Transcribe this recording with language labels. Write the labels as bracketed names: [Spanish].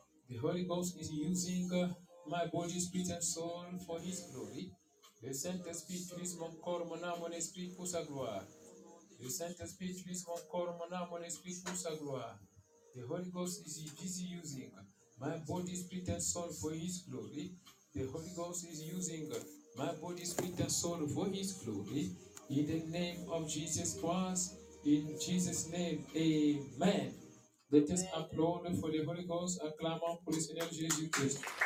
[English] The Holy Ghost is using my body, spirit and soul for His glory. [French] Le Saint-Esprit utilise mon corps, mon âme, mon esprit pour sa gloire. Le Saint-Esprit utilise mon corps, mon âme, mon esprit pour sa gloire. [English] The Holy Ghost is busy using my body, spirit and soul for His glory. The Holy Ghost is using my body, spirit and soul for His glory. In the name of Jesus Christ, in Jesus' name, Amen. Let us applaud for the Holy Ghost. [French] Acclamons pour le Seigneur Jésus Christ.